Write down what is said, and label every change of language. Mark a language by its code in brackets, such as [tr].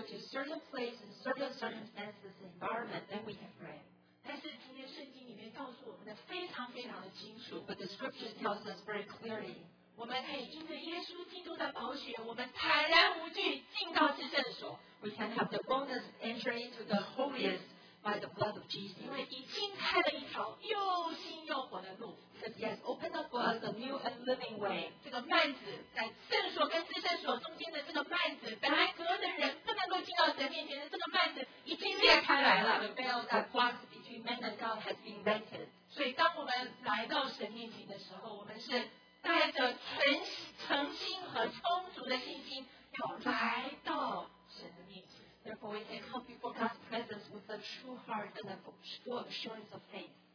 [en] certain place and certain circumstances and environment than we have read. [zh] 但是今天圣经里面告诉我们的非常非常的清楚, [en] but the scriptures tells us very clearly, [zh] 我们可以因着耶稣基督的宝血，我们坦然无惧进到至圣所。 [en] We can have the boldness of entering into the holiest by the blood of Jesus. [zh] 因为已经开了一条又新又活的路。 [en] Because he has opened up for us a new and living way. [zh] 这个幔子在圣所跟至圣所中间的这个幔子，本来隔着人不能够进到神面前的这个幔子已经裂开来了。 [en] The veil that blocks between man and God has been rented. [zh] 所以当我们来到神面前的时候，我们是 带着诚心和充足的信心，要来到神的面前。 [en] Therefore, we can come before God's presence with a true heart and a full assurance of faith.